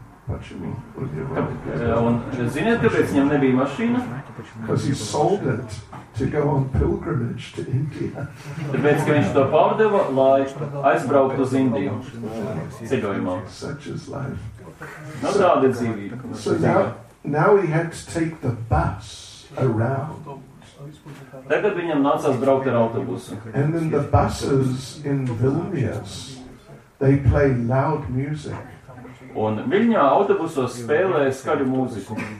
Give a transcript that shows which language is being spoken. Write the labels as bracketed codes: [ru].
[lv] Un ziniet, kāpēc viņam nebija mašīna? [en] Because he sold it to go on pilgrimage to India. [lv] Tāpēc, ka viņš to pārdeva, lai aizbraukt uz Indiju ceļojumā. [en] Such is life. [lv] Nu, tāda dzīvība. [en] So now he had to take the bus around. [lv] Tagad viņam nācās braukt ar autobusu. [en] And then the buses in Vilnius, they play loud music. [lv] Un Viļņā autobusos spēlē skaļu mūziku.